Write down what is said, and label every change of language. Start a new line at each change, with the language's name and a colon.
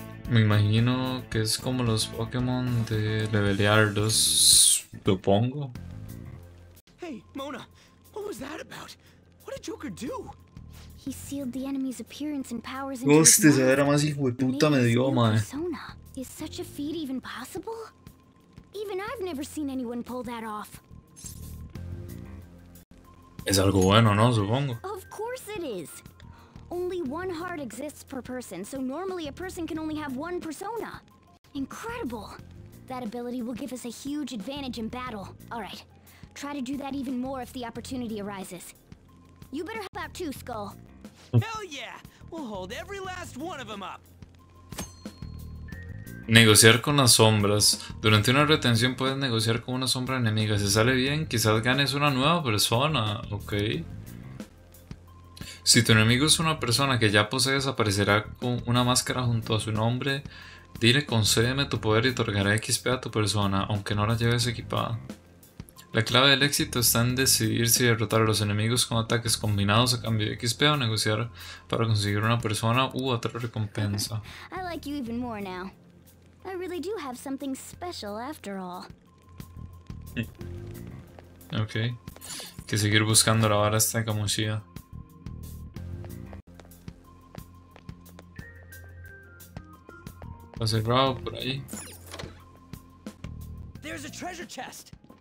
Spanish: Me imagino que es como los Pokémon de levelear 2, supongo.
English: Hey, Mona, what was that about? What did Joker do? He sealed the enemy's appearance and powers into his mind.
Spanish: Hostia, era más hijo de puta me dio, mae.
English: Is such a feat even possible? Even I've never seen anyone pull that off.
Spanish: Es algo bueno, ¿no? Supongo.
English: Of course it is. Only one heart exists per person, so normally a person can only have one persona. Incredible. That ability will give us a huge advantage in battle. All right. Try to do that even more if the opportunity arises. You better help out too, Skull. Hell yeah! We'll hold every last one of them up.
Spanish: Negociar con las sombras. Durante una retención puedes negociar con una sombra enemiga. Si sale bien, quizás ganes una nueva persona. Ok. Si tu enemigo es una persona que ya posees, aparecerá con una máscara junto a su nombre. Dile, concédeme tu poder y otorgaré XP a tu persona, aunque no la lleves equipada. La clave del éxito está en decidir si derrotar a los enemigos con ataques combinados a cambio de XP o negociar para conseguir una persona u otra recompensa.
English: I like you even more now. I really do have something special after all. Okay.
Spanish: Que seguir buscando la vara esta como sea. Va cerrado por ahí.
English: There's a treasure chest.